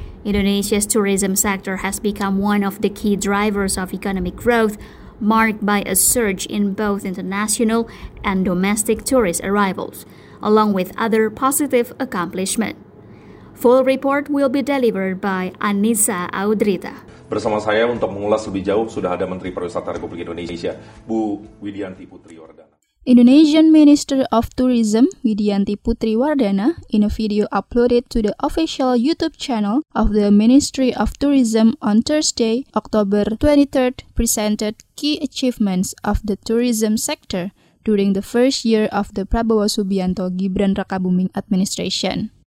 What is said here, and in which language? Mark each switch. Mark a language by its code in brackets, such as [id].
[en] Indonesia's tourism sector has become one of the key drivers of economic growth, marked by a surge in both international and domestic tourist arrivals, along with other positive accomplishments. Full report will be delivered by Anissa Audrita. [id] Bersama saya untuk mengulas lebih jauh sudah ada Menteri Pariwisata Republik Indonesia, Bu Widianti Putri Wardana. [en] Indonesian Minister of Tourism, Widianti Putri Wardana, in a video uploaded to the official YouTube channel of the Ministry of Tourism on Thursday, October 23rd, presented key achievements of the tourism sector during the first year of the Prabowo Subianto Gibran Rakabuming administration.